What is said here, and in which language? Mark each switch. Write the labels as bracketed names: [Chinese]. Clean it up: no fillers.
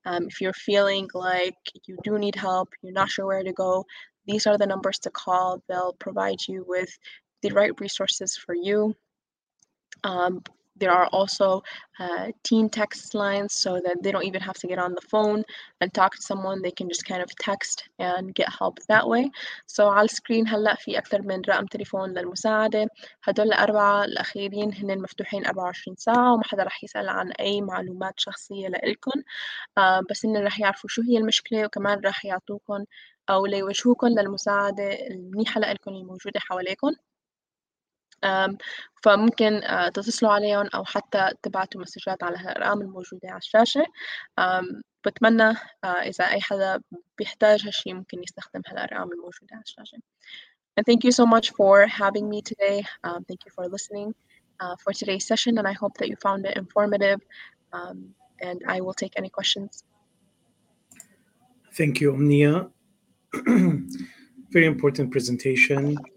[English] If you're feeling like you do need help, you're not sure where to go, these are the numbers to call. They'll provide you with the right resources for you. There are also teen text lines so that they don't even have to get on the phone and talk to someone. They can just kind of text and get help that way. [Arabic] So على screen هلا في أكثر من رقم تليفون للمساعدة. هدول الأربعة الأخيرين هن مفتوحين 24 ساعة وما حدا رح يسأل عن أي معلومات شخصية لإلكن. بس هن رح يعرفوا شو هي المشكلة وكمان رح يعطوكن أو ليوجهوكن للمساعدة المنيحة لإلكن الموجودة حواليكن. فممكن تتصلوا عليهم أو حتى تبعتوا مسجات على الأرقام الموجودة على الشاشة. بتمنى إذا أي حدا بيحتاج هالشي ممكن يستخدم هالأرقام الموجودة على الشاشة. [English] And thank you so much for having me today. Thank you for listening for today's session, and I hope that you found it informative. And I will take any questions. Thank you, Omnia. very important presentation.